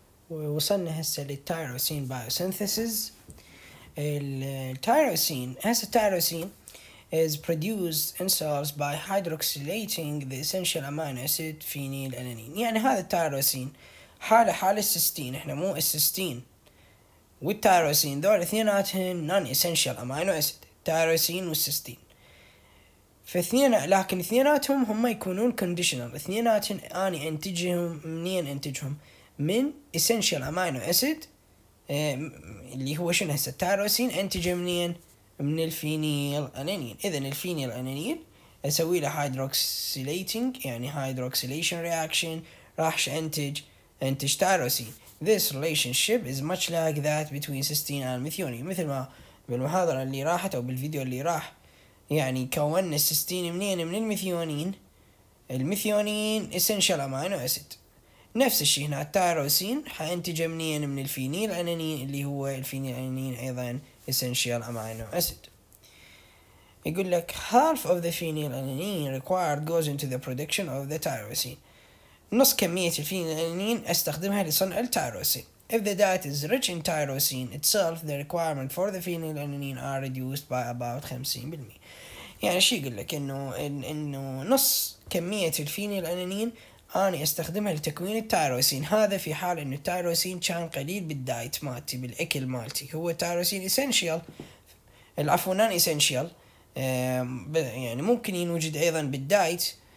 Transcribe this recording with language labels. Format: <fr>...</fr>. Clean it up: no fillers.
<ar>ووصلنا هسه للتايروسين بايوسينثيسز. التايروسين هسه</ar> <en>التايروسين is produced in cells by hydroxylating the essential amino acid phenylalanine.</en> <ar>يعني هذا التايروسين حال السستين، احنا مو السستين والتايروسين دول اثنيناتهم</ar> <en>non essential amino acid،</en> <ar>تايروسين والسستين فاثنين، لكن اثنيناتهم هم يكونون conditional. اثنيناتهم اني انتجهم منين؟ انتجهم من</ar> <en>essential amino acid</en> <ar>اللي هو شنو هسه التايروسين، انتجه منين؟ من الفينيل انينين. اذا الفينيل انينين اسوي له hydroxylating، يعني</ar> <en>hydroxylation reaction،</en> <ar>راح انتج تايروسين.</ar> <en>This relationship is much like that between cysteine and methionine،</en> <ar>مثل ما بالمحاضرة اللي راحت او بالفيديو اللي راح، يعني كون السستين منين؟ من المثيونين. المثيونين</ar> <en>essential amino acid.</en> <ar>نفس الشيء هنا التايروسين حينتج منين؟ من الفينيل انينين، اللي هو الفينيل انينين ايضا</ar> <en>essential amino acid.</en> <ar>يقول لك</ar> <en>half of the phenylalanine required goes into the production of the tyrosine.</en> <ar>نص كمية الفينيلالانين استخدمها لصنع التايروسين.</ar> <en>If the diet is rich in tyrosine itself, the requirement for the phenylalanine are reduced by about 50%.</en> <ar>يعني شو يقول لك؟ انه نص كمية الفينيلالانين اني استخدمها لتكوين التايروسين، هذا في حال انه التايروسين كان قليل بالدايت مالتي، بالاكل مالتي. هو التايروسين اسينشال، العفو نان اسينشال، يعني ممكن ينوجد ايضا بالدايت.</ar>